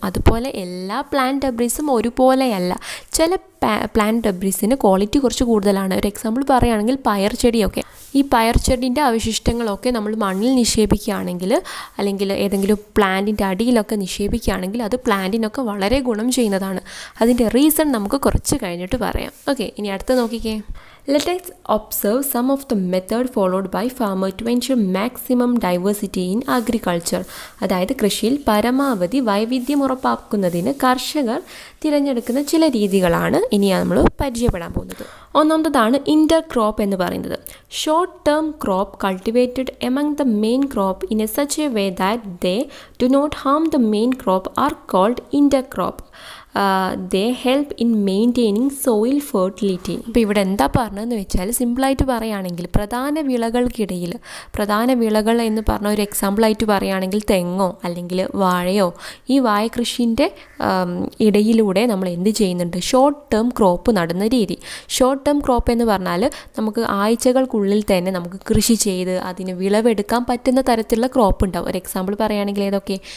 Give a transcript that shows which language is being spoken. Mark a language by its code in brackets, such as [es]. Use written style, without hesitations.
[ml] അതുപോലെ എല്ലാ പ്ലാന്റ് ഡെബ്രിസും ഒരുപോലെയല്ല, ചില പ്ലാന്റ് ഡെബ്രിസിന് ക്വാളിറ്റി കുറച്ച് കൂടുതലാണ്. ഒരു എക്സാമ്പിൾ പറയുകയാണെങ്കിൽ പയർ ചെടിയൊക്കെ, ഈ പയർ ചെടീൻ്റെ അവശിഷ്ടങ്ങളൊക്കെ നമ്മൾ മണ്ണിൽ നിക്ഷേപിക്കുകയാണെങ്കിൽ അല്ലെങ്കിൽ ഏതെങ്കിലും പ്ലാന്റിൻ്റെ അടിയിലൊക്കെ നിക്ഷേപിക്കുകയാണെങ്കിൽ അത് പ്ലാന്റിനൊക്കെ വളരെ ഗുണം ചെയ്യുന്നതാണ്. അതിൻ്റെ റീസൺ നമുക്ക് കുറച്ച് കഴിഞ്ഞിട്ട് പറയാം. ഓക്കെ, ഇനി അടുത്ത നോക്കിക്കേ. [en] Let us observe some of the method followed by farmer to ensure maximum diversity in agriculture. [ml] അതായത് കൃഷിയിൽ പരമാവധി വൈവിധ്യം ഉറപ്പാക്കുന്നതിന് കർഷകർ തിരഞ്ഞെടുക്കുന്ന ചില രീതികളാണ് ഇനി നമ്മൾ പരിചയപ്പെടാൻ പോകുന്നത്. ഒന്നാമതാണ് ഇൻ്റർ ക്രോപ്പ് എന്ന് പറയുന്നത്. [en] Short term crop cultivated among the main crop in a such a way that they do not harm the main crop are called intercrop. They help in maintaining soil fertility. [ml] ഇപ്പോൾ ഇവിടെ എന്താ പറഞ്ഞതെന്ന് വെച്ചാൽ സിമ്പിളായിട്ട് പറയുകയാണെങ്കിൽ പ്രധാന വിളകൾക്കിടയിൽ, പ്രധാന വിളകൾ എന്ന് പറഞ്ഞ ഒരു എക്സാമ്പിളായിട്ട് പറയുകയാണെങ്കിൽ തെങ്ങോ അല്ലെങ്കിൽ വാഴയോ, ഈ വാഴകൃഷിൻ്റെ ഇടയിലൂടെ നമ്മൾ എന്ത് ചെയ്യുന്നുണ്ട്? ഷോർട്ട് ടേം ക്രോപ്പ് നടുന്ന രീതി. ഷോർട്ട് ടേം ക്രോപ്പ് എന്ന് പറഞ്ഞാൽ നമുക്ക് ആഴ്ചകൾക്കുള്ളിൽ തന്നെ നമുക്ക് കൃഷി ചെയ്ത് അതിന് വിളവെടുക്കാൻ പറ്റുന്ന തരത്തിലുള്ള ക്രോപ്പ് ഉണ്ടാവും. ഒരു എക്സാമ്പിൾ പറയുകയാണെങ്കിൽ ഏതൊക്കെ?